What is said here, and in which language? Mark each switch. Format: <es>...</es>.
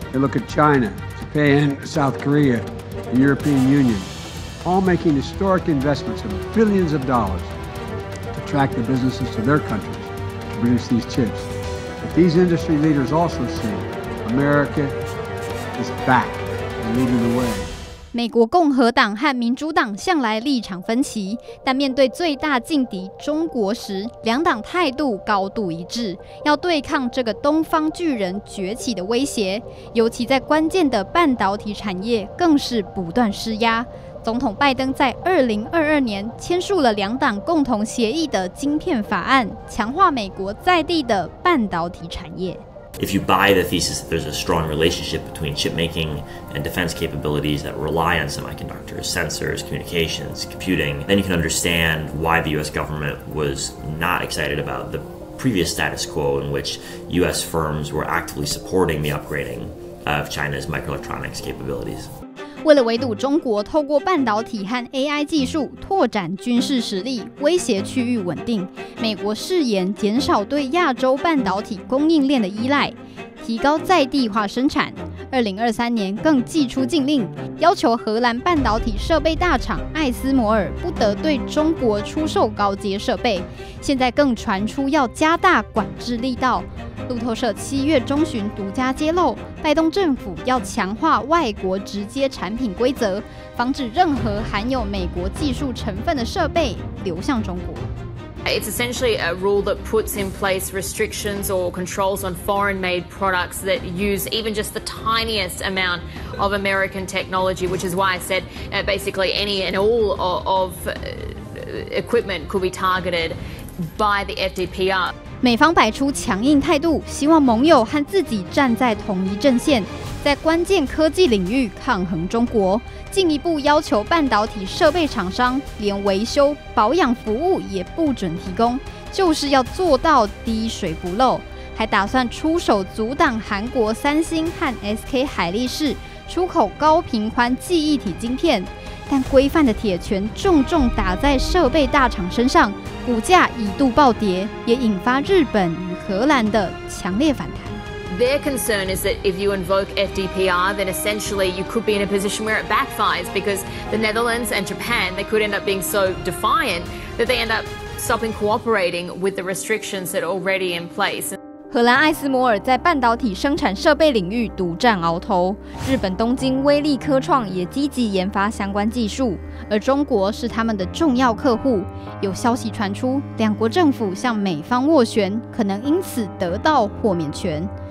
<en>You look at China, Japan, South Korea, the European Union, all making historic investments of billions of dollars to attract the businesses to their countries to produce these chips. But these industry leaders also see America is back and leading the way.</en> <zh>美国共和党和民主党向来立场分歧，但面对最大劲敌中国时，两党态度高度一致，要对抗这个东方巨人崛起的威胁，尤其在关键的半导体产业更是不断施压。总统拜登在2022年签署了两党共同协议的晶片法案，强化美国在地的半导体产业。</zh> <en>If you buy the thesis that there's a strong relationship between chip making and defense capabilities that rely on semiconductors, sensors, communications, computing, then you can understand why the U.S. government was not excited about the previous status quo in which U.S. firms were actively supporting the upgrading of China's microelectronics capabilities.</en> <zh>为了围堵中国透过半导体和 AI 技术拓展军事实力威胁区域稳定，美国誓言减少对亚洲半导体供应链的依赖，提高在地化生产。 2023年更祭出禁令，要求荷兰半导体设备大厂艾斯摩尔不得对中国出售高阶设备，现在更传出要加大管制力道。路透社七月中旬独家揭露，拜登政府要强化外国直接产品规则，防止任何含有美国技术成分的设备流向中国。</zh> <en>It's essentially a rule that puts in place restrictions or controls on foreign-made products that use even just the tiniest amount of American technology, which is why I said basically any and all of equipment could be targeted by the FDPR.</en> <zh>美方摆出强硬态度，希望盟友和自己站在同一阵线，在关键科技领域抗衡中国，进一步要求半导体设备厂商连维修保养服务也不准提供，就是要做到滴水不漏，还打算出手阻挡韩国三星和 SK 海力士出口高频宽记忆体晶片，但规范的铁拳重重打在设备大厂身上，股价一度暴跌，也引发日本与荷兰的强烈反弹。</zh> <en>Their concern is that if you invoke FDPR, then essentially you could be in a position where it backfires because the Netherlands and Japan, they could end up being so defiant that they end up stopping cooperating with the restrictions that are already in place.</en> <zh>荷兰艾斯摩尔在半导体生产设备领域独占鳌头，日本东京威力科创也积极研发相关技术，而中国是他们的重要客户。有消息传出，两国政府向美方斡旋，可能因此得到豁免权。</zh>